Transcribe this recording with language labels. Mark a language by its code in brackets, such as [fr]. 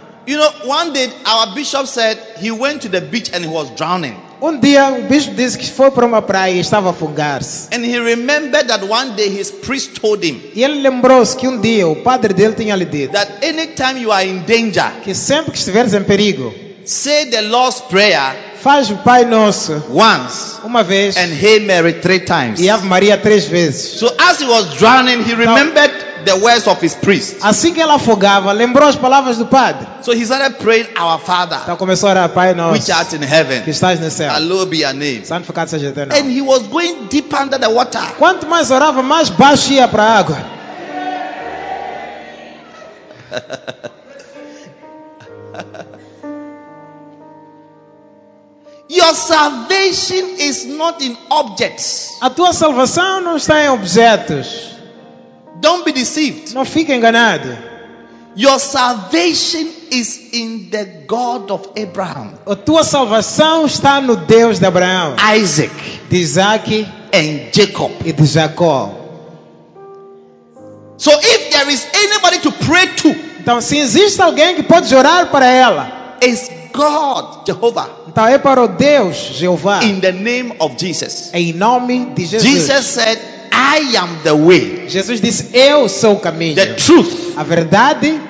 [en] You know, one day our bishop said he went to the beach and he was drowning. [pt] Dia o bispo disse que foi para uma praia e estava a afogar-se. [en] And he remembered that one day his priest told him. [pt] E ele lembrou-se que dia o padre dele tinha lhe dito. [en] That anytime you are in danger, [pt] que sempre que estiveres em perigo, [en] say the Lord's Prayer. [pt] Faz o Pai Nosso [en] once, [pt] uma vez, [en] and Hail Mary three times. [pt] E Ave Maria três vezes. [en] So as he was drowning, he remembered the words of his priest. [pt] Assim que ele afogava, lembrou as palavras do padre. [en] So he started praying our Father. [pt] Então começou a orar, Pai Nosso, [en] which art in heaven. [pt] Que estás no céu. [en] Hallowed be your name. [pt] Santificado seja teu nome. [en] And he was going deep under the water. [pt] Quanto mais orava, mais baixo ia para a água. [en] Your salvation is not in objects. [pt] A tua salvação não está em objetos. [en] Don't be deceived. [pt] Não fique enganado. [en] Your salvation is in the God of Abraham. [pt] A tua salvação está no Deus de Abraão, [en] Isaac, [pt] de Isaac [en] and Jacob. [pt] E de Jacob. [en] So if there is anybody to pray to, [pt] então se existe alguém que pode orar para ela, [en] is God, Jehovah. [pt] Natal é para o Deus Jeová. [en] In the name of Jesus. [pt] Em nome de Jesus. [en] Jesus said, I am the way. [pt] Jesus disse, eu sou o caminho. [en] The truth. [pt] A verdade.